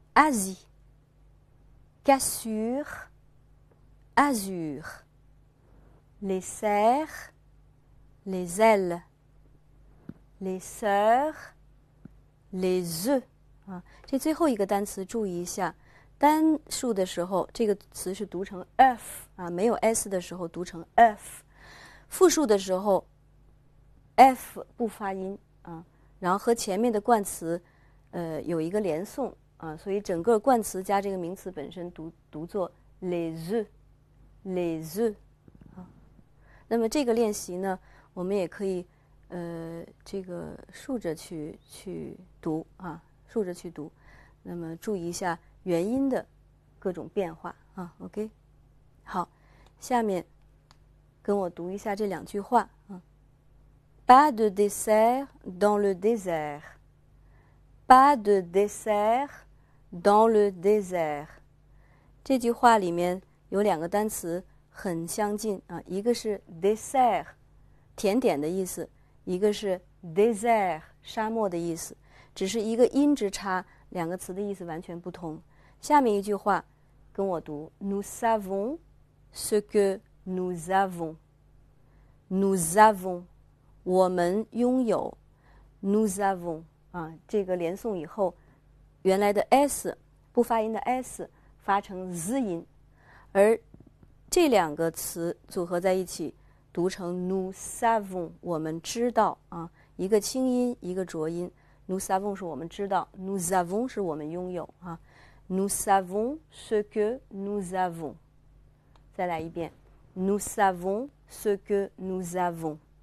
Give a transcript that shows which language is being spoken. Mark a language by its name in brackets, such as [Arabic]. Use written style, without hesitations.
[French] Asie, cassure, azur, les serres, les ailes, les sœurs, les œufs。 [Chinese] 这最后一个单词注意一下，单数的时候，这个词是读成 f 啊，没有 s 的时候读成 f。复数的时候 f 不发音啊，然后和前面的冠词有一个连诵啊，所以整个冠词加这个名词本身读作 les 那么这个练习呢，我们也可以这个竖着去读啊，竖着去读，那么注意一下元音的各种变化啊，OK，好，下面跟我读一下这两句话啊。 [French] Pas de dessert dans le désert. Pas de dessert dans le désert. [Chinese] 这句话里面有两个单词很相近啊，一个是 dessert，甜点的意思，一个是 désert，沙漠的意思，只是一个音值差，两个词的意思完全不同。下面一句话，跟我读： [French] Nous savons ce que nous avons. [Chinese] Nous avons，我们拥有。Nous avons 啊，这个连诵以后，原来的 s 不发音的 s 发成 z 音，而这两个词组合在一起，读成 [French] Nous savons， [Chinese] 我们知道啊，一个清音，一个浊音。 [French] Nous savons [Chinese] 是我们知道， [French] Nous avons [Chinese] 是我们拥有啊。 [French] Nous savons ce que nous avons. [Chinese] 再来一遍。 [French] Nous savons ce que nous avons.